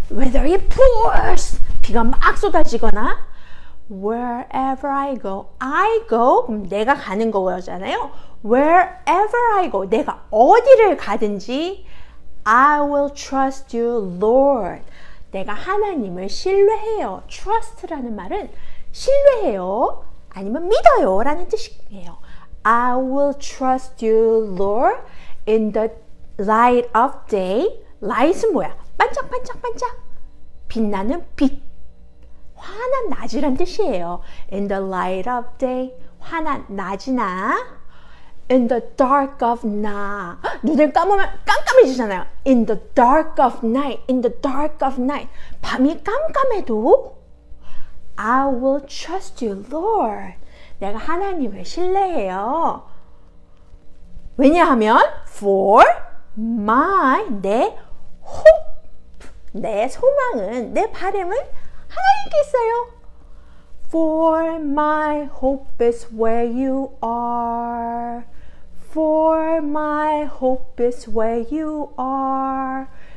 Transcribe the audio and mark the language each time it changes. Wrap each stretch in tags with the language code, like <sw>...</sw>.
<en>Whether it pours,</en> <ko>비가 막 쏟아지거나</ko> <en>Wherever I go, I go.</en> <ko>그럼 내가 가는 거잖아요.</ko> <en>Wherever I go,</en> <ko>내가 어디를 가든지,</ko> <en>I will trust you, Lord.</en> <ko>내가 하나님을 신뢰해요. Trust라는 말은 신뢰해요. 아니면 믿어요라는 뜻이에요.</ko> <en>I will trust you, Lord, in the light of day.</en> <ko>Light은 뭐야? 반짝반짝반짝. 빛나는 빛. 환한 낮이란 뜻이에요.</ko> <en>In the light of day,</en> <ko>환한 낮이나</ko> <en>In the dark of night,</en> <ko>눈을 감으면 깜깜해지잖아요.</ko> <en>In the dark of night, in the dark of night,</en> <ko>밤이 깜깜해도</ko> <en>I will trust you, Lord.</en> <ko>내가 하나님을 신뢰해요. 왜냐하면</ko> <en>for my 내 hope,</en> <ko>내 소망은 내 바람은 하나님께 있어요.</ko> <en>For my hope is where you are. For my hope is where you are.</en>